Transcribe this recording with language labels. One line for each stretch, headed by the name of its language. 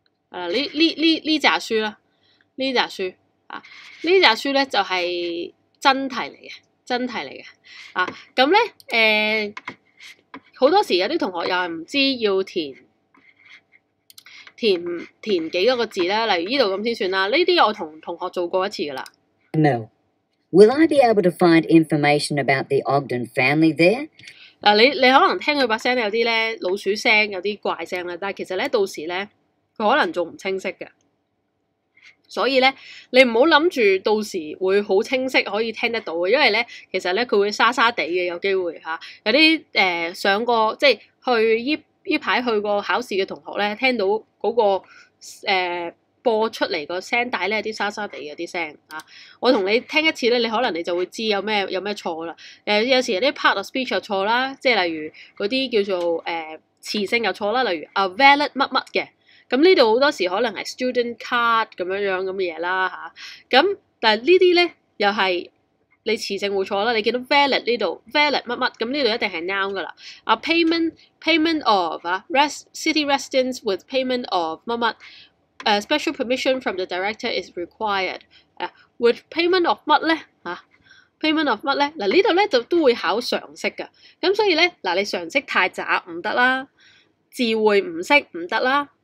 Cantonese: 係啦，呢扎書啦，呢扎書啊，呢扎書咧就係真題嚟嘅，真題嚟嘅啊。咁咧好多時有啲同學又係唔知道要填。填幾多個字咧？例如依度咁先算啦。呢啲我同同學做過一次噶啦。
English: Mel, will I be able to find information about the Ogden family there？
Cantonese: 嗱，你可能聽佢把聲有啲咧老鼠聲，有啲怪聲啦。但係其實咧，到時咧佢可能仲唔清晰嘅。所以咧，你唔好諗住到時會好清晰可以聽得到嘅，因為咧其實咧佢會沙沙地嘅有機會嚇。有啲上過即係去依排去過考試嘅同學咧，聽到。嗰、那個播出嚟個聲帶咧，啲沙沙地嘅啲聲啊！我同你聽一次咧，你可能你就會知道有咩錯啦。有時啲
English: part of speech
Cantonese: 有錯啦，即係例如嗰啲叫做詞性有錯啦，例如
English: a valid
Cantonese: 乜乜嘅。咁呢度好多時可能係 student card 咁樣樣咁嘅嘢啦嚇。咁、但係呢啲咧又係你詞性會錯啦。你見到 valid 呢度 valid 乜乜，咁呢度一定係 noun 噶啦。啊 payment。
English: Payment of city residents with payment of
Cantonese: 乜乜，
English: special permission from the director is required。 With payment of
Cantonese: 乜咧嚇 ？
English: Payment of
Cantonese: 乜咧？嗱呢度咧就都會考常識噶，咁所以咧嗱你常識太渣唔得啦，智慧唔識唔得啦